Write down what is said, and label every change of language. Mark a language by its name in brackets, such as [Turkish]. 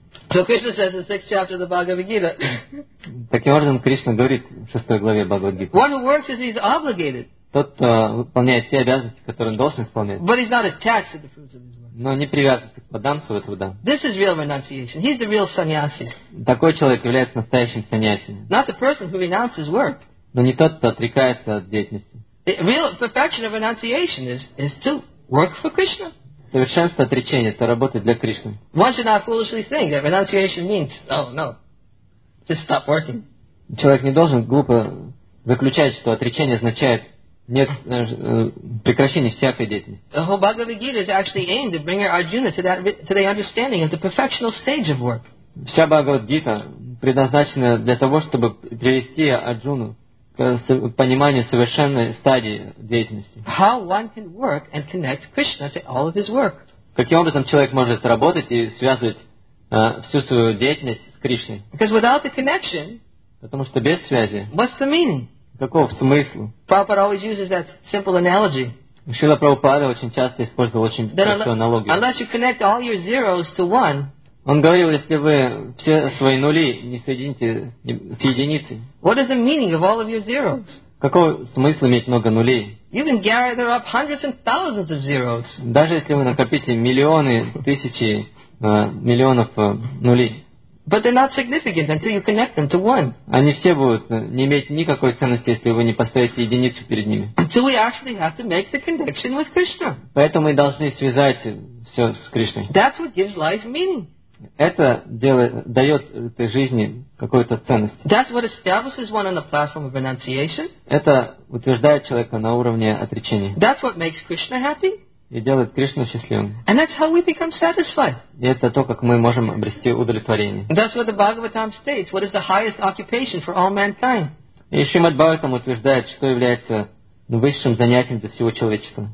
[English] So Krishna says in the sixth chapter of the Bhagavad Gita. [Russian] Таким образом, Кришна говорит в шестой главе Бхагавад Гиты. [English] One who works is he's obligated. [Russian] Тот, кто выполняет те обязанности, которые он должен исполнять. [English] But he's not attached to the fruits of his work. [Russian] Но не привязан к плодам своего труда. [English] This is real renunciation. He's the real sannyasi. [Russian] Такой человек является настоящим sannyasi. [English] Not the person who renounces work. [Russian] Но не тот, кто отрекается от деятельности. [English] The real perfection of renunciation is to work for Krishna. [Russian] Совершенство отречения — это работать для Кришны. [English] One should not foolishly think that renunciation means, oh no, just stop working. [Russian] Человек не должен глупо заключать, что отречение означает нет прекращения всякой деятельности. [English] The whole Bhagavad Gita is actually aimed at bringing Arjuna to the understanding of the perfectional stage of work. [Russian] Вся Бхагавад Гита предназначена для того, чтобы привести Арджуну к пониманию совершенной стадии деятельности. [English] How one can work and connect Krishna to all of his work. [Russian] Каким образом человек может работать и связывать всю свою деятельность с Кришной? [English] Because without the connection, [Russian] потому что без связи, [English] what's the meaning? [Russian] Каков смысл? [English] Prabhupada always uses that simple analogy. [Russian] Шрила Прабхупада очень часто использовал очень простую аналогию. [English] Unless you connect all your zeros to one, [Russian] он говорил, если вы все свои нули не соедините с единицей, [English] what is the meaning of all of your zeros? [Russian] Какого смысла иметь много нулей? [English] You can gather up hundreds and thousands of zeros. [Russian] Даже если вы накопите миллионы, тысячи, миллионов нулей. [English] But they're not significant until you connect them to one. [Russian] Они все будут не иметь никакой ценности, если вы не поставите единицу перед ними. [English] Until we actually have to make the connection with Krishna. [Russian] Поэтому мы должны связать все с Кришной. [English] That's what gives life meaning. [Russian] Это дает этой жизни какую-то ценность. [English] That's what establishes one on the platform of renunciation. [Russian] Это утверждает человека на уровне отречения. [English] That's what makes Krishna happy. [Russian] И делает Кришну счастливым. [English] And that's how we become satisfied. [Russian] И это то, как мы можем обрести удовлетворение. [English] That's what the Bhagavatam states. What is the highest occupation for all mankind? [Russian] И Шримад Бхагаватам утверждает, что является высшим занятием для всего человечества.